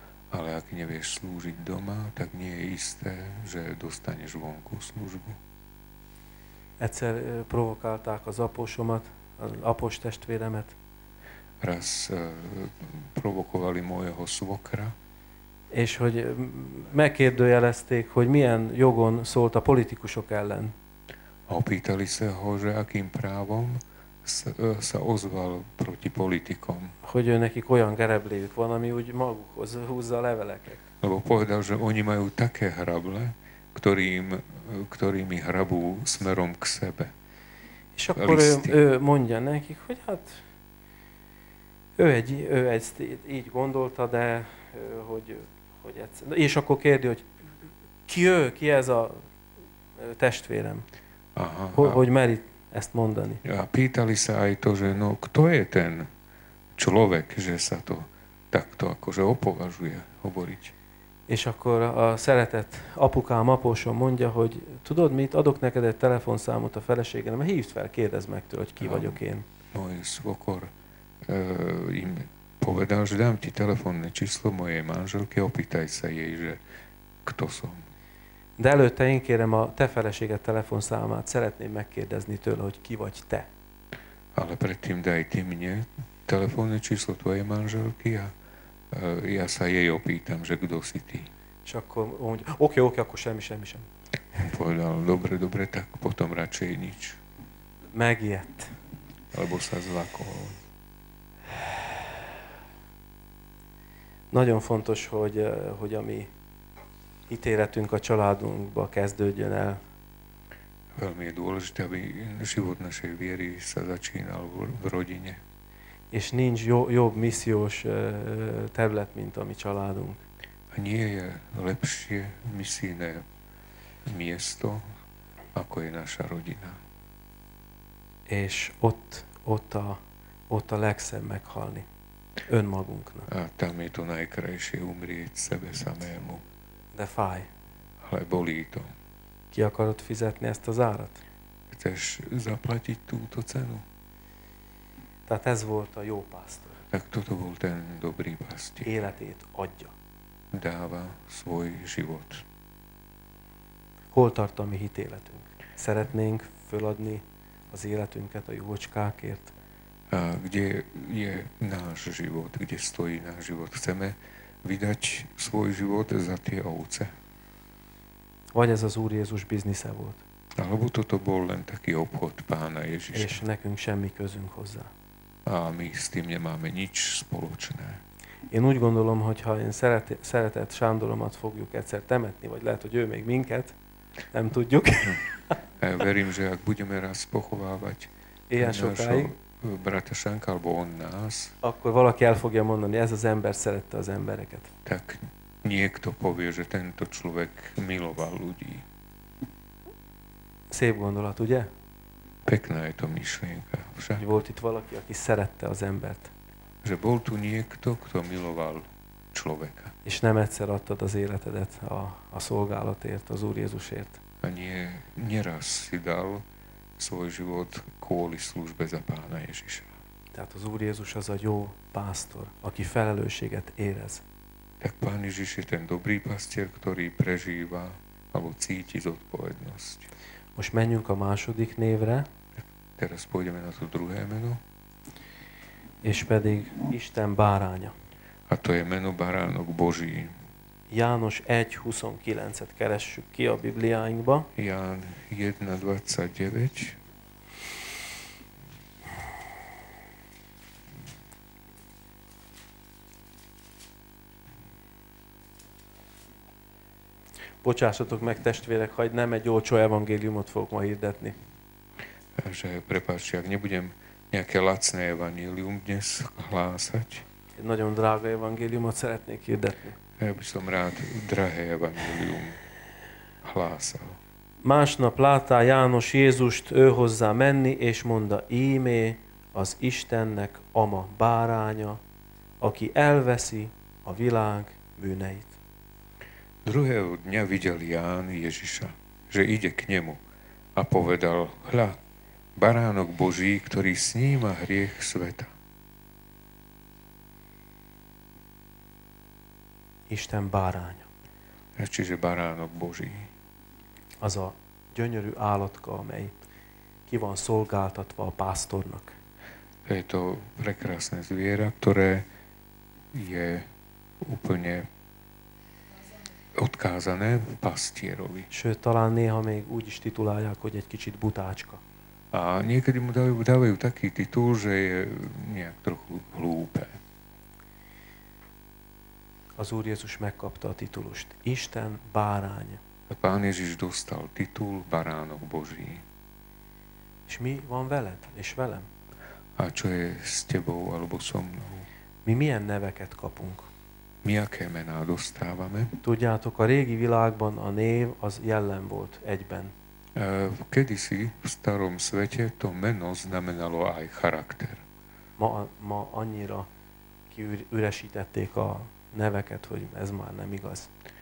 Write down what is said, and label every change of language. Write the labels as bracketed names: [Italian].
[Slovak] Ale ak nevieš slúžiť doma, tak nie je isté, že dostaneš vonku službu. [Hungarian] Egyszer provokálták az apósomat, az apos testvéremet. [Slovak] Raz provokovali mojeho svokra. [Hungarian] És hogy megkérdőjelezték, hogy milyen jogon szólt a politikusok ellen. [Slovak] A opýtali sa ho, že akým právom sa ozval proti politikom. [Hungarian] Hogy ő nekik olyan gerebléjük van, ami úgy magukhoz húzza a leveleket. [Slovak] Lebo povedal, že oni majú také hrable, ktorými hrabú smerom k sebe. [Hungarian] És akkor ő mondja nekik, hogy hát ő egy így gondolta, de hogy egyszer. És akkor kérdi, hogy ki ő, ki ez a testvérem? Aha, hogy meri ezt mondani? [Slovak] A pýtali sa aj to, že no, kto je ten človek, že sa to takto akože opovažuje hovoriť. [Hungarian] És akkor a szeretett apukám, apósom mondja, hogy tudod mit, adok neked egy telefonszámot a feleségem, hívd fel, kérdezd meg tőle, hogy ki vagyok én. [Slovak] Moj svokor im povedal, že dám ti telefónne číslo mojej manželky, opýtaj sa jej, že kto som. [Hungarian] De előtte én kérem a te feleséged telefonszámát, szeretném megkérdezni tőle, hogy ki vagy te. [Slovak] Ale predtým daj ti mne telefónne číslo tvojej manželky a ja sa jej opýtam, že kdo si ty. [Hungarian] És akkor mondja, oké, akkor semmi. [Slovak] Povedal, dobre, tak potom radšej nič. [Hungarian] Megijedt. [Slovak] Alebo sa zlakol. [Hungarian] Nagyon fontos, hogy a mi ítéletünk a családunkba kezdődjön el. [Slovak] Veľmi je dôležité, aby život našej viery sa začínal v rodine. [Hungarian] És nincs jobb missziós terület, mint a mi családunk. [Slovak] A nie je lepšie misijné miesto, ako je naša rodina. [Hungarian] És ott a legszebb meghalni önmagunknak. [Slovak] A tam je to najkrajšie umrieť sebe samému. [Hungarian] De fáj. [Slovak] Ale bolí to. [Hungarian] Ki akarod fizetni ezt az árat? [Slovak] Chceš zaplatiť túto cenu? [Hungarian] Tehát ez volt a jó pásztor. [Slovak] Tak toto bol ten dobrý pastier. [Hungarian] Életét adja. [Slovak] Dáva svoj život. [Hungarian] Hol tart a mi hitéletünk? Szeretnénk föladni az életünket a juhocskákért? [Slovak] A kde je náš život? Kde stojí náš život? Chceme vydať svoj život za tie ovce? [Hungarian] Vagy ez az Úr Jézus biznisze volt. [Slovak] Alebo toto bol len taký obchod Pána Ježiša. [Hungarian] És nekünk semmi közünk hozzá. [Slovak] A my s tým nemáme nič spoločné. [Hungarian] Én úgy gondolom, hogyha én szeretett Sándoromat fogjuk egyszer temetni, vagy lehet, hogy ő még minket, nem tudjuk. [Slovak] Verím, že ak budeme raz pochovávať [Hungarian] ilyen sokáig. [Slovak] brata Sanka, alebo on nás, [Hungarian] akkor valaki el fogja mondani, ez az ember szerette az embereket. [Slovak] Tak niekto povie, že tento človek miloval ľudí. [Hungarian] Szép gondolat, ugye? [Slovak] Pekná je to myšlienka. [Hungarian] Hogy volt itt valaki, aki szerette az embert. [Slovak] Že bol tu niekto, kto miloval človeka. [Hungarian] És nem egyszer adtad az életedet a szolgálatért, az Úr Jézusért. [Slovak] A nie, nieraz si dal svoj život kvôli službe za Pána Ježiša. [Hungarian] Tehát az Úr Jézus az a jó pásztor, aki felelősséget érez. [Slovak] Tak Pán Ježiš je ten dobrý pastier, ktorý prežíva alebo cíti zodpovednosť. [Hungarian] Most menjünk a második névre. [Slovak] Teraz pôjdeme na to druhé meno. [Hungarian] És pedig Isten báránya. [Slovak] A to je meno Baránok Boží. [Hungarian] János 1.29-et keressük ki a Bibliáinkba. [Slovak] Ján 1.29. [Hungarian] Bocsássatok meg, testvérek, hogy nem egy olcsó evangéliumot fogok ma hirdetni. [Slovak] Že prepáčte, ak nebudem nejaké lacné evangélium dnes hlásať. [Hungarian] Egy nagyon drága evangéliumot szeretnék hirdetni. [Slovak] Ja by som rád drahé evangélium hlásal. [Hungarian] Másnap látta János Jézust őhozzá menni, és mondta, ímé az Istennek ama báránya, aki elveszi a világ bűneit. [Slovak] Druhého dňa videl Ján Ježiša, že ide k nemu a povedal, hľa, baránok Boží, ktorý sníma hriech sveta. [Hungarian] Isten báránya. [Slovak] Čiže baránok Boží. [Hungarian] Az a gyönyörű állatka, amely ki van szolgáltatva a pásztornak. [Slovak] Je to prekrásne zviera, ktoré je úplne odkázané pastierovi. [Hungarian] Sőt, talán néha még úgy is titulálják, hogy egy kicsit butácska. [Slovak] A niekedy mu dávajú taký titul, že je nejak trochu hlúpe. [Hungarian] Az Úr Jézus megkapta a titulust. Isten báránya. [Slovak] A Pán Ježiš dostal titul Baránok Boží. [Hungarian] És mi van veled és velem? [Slovak] A čo je s tebou alebo so mnou? [Hungarian] Mi milyen neveket kapunk? [Slovak] Mi a kemená dostávame? [Hungarian] Tudjátok, a régi világban a név az jelen volt egyben. [Slovak] Kedysi v starom svete to meno znamenalo aj charakter. [Hungarian] Ma annyira kiüresítették a neveket, hogy ez már nem igaz.